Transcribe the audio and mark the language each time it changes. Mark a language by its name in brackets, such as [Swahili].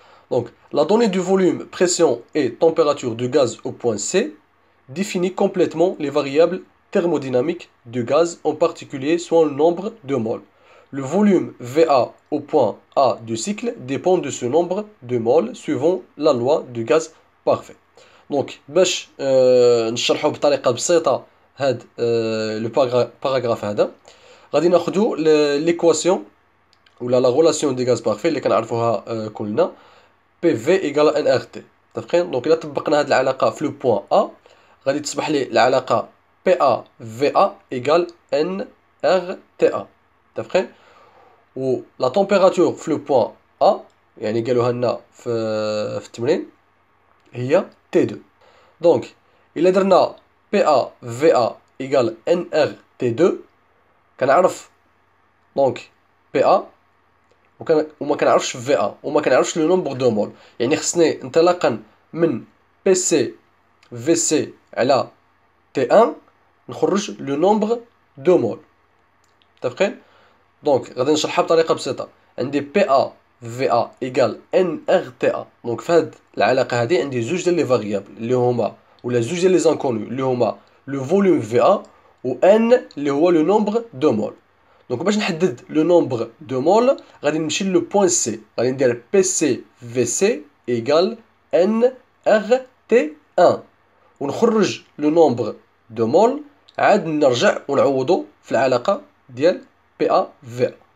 [French] Donc la donnée du volume, pression et température du gaz au point C définit complètement les variables thermodynamiques du gaz, en particulier son nombre de moles. Le volume VA au point A du cycle dépend de ce nombre de moles suivant la loi du gaz parfait. [Arabic] Donc, باش نشرحو بطريقة بسيطة هاد [French] le paragraphe [Arabic] هذا. غادي ناخدو [French] l'équation ou la relation des gaz parfaits [Arabic] اللي كنعرفوها كلنا PV égale NRT. [French] Donc là, [Arabic] طبقنا هاد العلاقة في [French] le point A. [Arabic] غادي تصبح لي العلاقة PA VA égale NRTA. [French] Ou la température [Arabic] في [French] le point A, [Arabic] يعني قالوها لنا في التمرين, هي T2. [French] Donc, il a donné PA VA égale NR T2. [Arabic] كنعرف donc PA وما كنعرفش VA وما كنعرفش [French] لو نومبر دو مول. [Arabic] يعني خصني انطلاقا من PC VC على T1 نخرج [French] لو نومبر دو مول. [Arabic] متفقين؟ دونك غادي نشرحها بطريقة بسيطة. عندي PA VA إيكال NRTA. دونك في هاد العلاقة هادي عندي زوج ديال [French] لي فاريابل [Arabic] اللي هما ولا زوج ديال [French] لي زانكونو [Arabic] اللي هما [French] لو فوليوم [Arabic] VA و N اللي هو [French] لو نومبر دو مول. [Arabic] دونك باش نحدد [French] لو نومبر دو مول [Arabic] غادي نمشي [French] لو بوان سي, [Arabic] غادي ندير PC VC إيكال NRT1 ونخرج لو نومبر دو مول, عاد نرجع ونعوضو في العلاقة ديال PA VA.